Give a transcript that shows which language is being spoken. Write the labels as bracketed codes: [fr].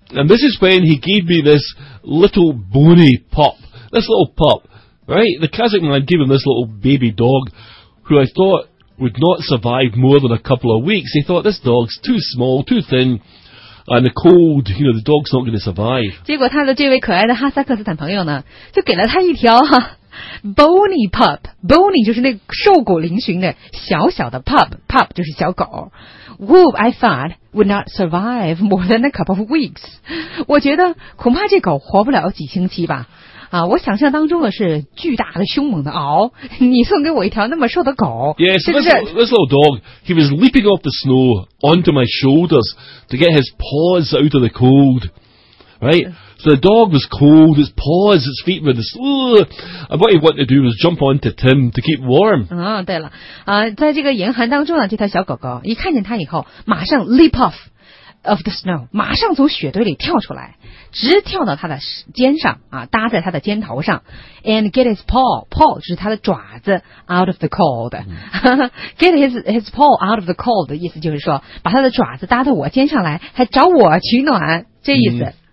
[en] And this is when he gave me this little bony pup. This little pup, right? The Kazakh man gave him this little baby dog who I thought would not survive more than a couple of weeks. He thought this dog's too small, too thin, and the cold, you know, the dog's not going to survive. [zh] 结果他的这位可爱的哈萨克斯坦朋友呢，就给了他一条哈。 Bony pup, bony 就是那个瘦骨嶙峋的小小的 pup 就是小狗。 [en] Wolf, I thought, would not survive more than a couple of weeks. [zh] 我觉得恐怕这狗活不了几星期吧。啊，我想象当中的是巨大的凶猛的獒。你送给我一条那么瘦的狗， [en] yeah, so、this little dog, he was leaping off the snow onto my shoulders to get his paws out of the cold. Right? So the dog was cold, its paws, its feet were this, and what he wanted to do was jump onto Tim to keep warm. [zh] 对了、在这个严寒当中呢，这条小狗狗一看见它以后，马上 [en] leap off of the snow， [zh] 马上从雪堆里跳出来，直跳到它的肩上、搭在它的肩头上， [en] and get his paw [zh] 就是它的爪子 [en] out of the cold、 get his paw out of the cold [zh] 的意思就是说，把它的爪子搭到我肩上来，还找我取暖，这意思、